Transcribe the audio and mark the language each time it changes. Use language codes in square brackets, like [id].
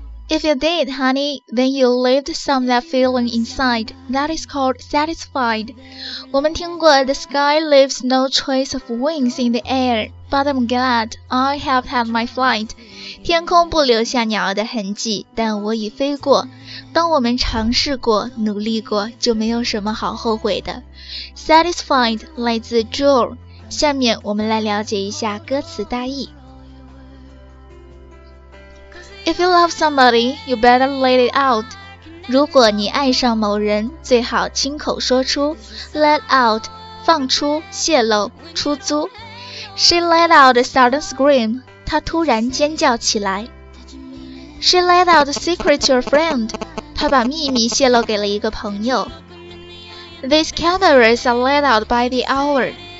[en] If you did, honey, then you lived some of that feeling inside. That is called satisfied. [zh] 我们听过 [en] The sky leaves no trace of wings in the air, but I'm glad I have had my flight. [zh] 天空不留下鸟儿的痕迹，但我已飞过。当我们尝试过，努力过，就没有什么好后悔的。 Satisfied 来自 Jewel。下面我们来了解一下歌词大意。 [en] If you love somebody, you better let it out. [zh] 如果你爱上某人，最好亲口说出 Let out, 放出、泄露、出租。 [en] She let out a sudden scream. [zh] 她突然尖叫起来。 [en] She let out a secret to a friend. [zh] 她把秘密泄露给了一个朋友。 [en] These cameras are let out by the hour.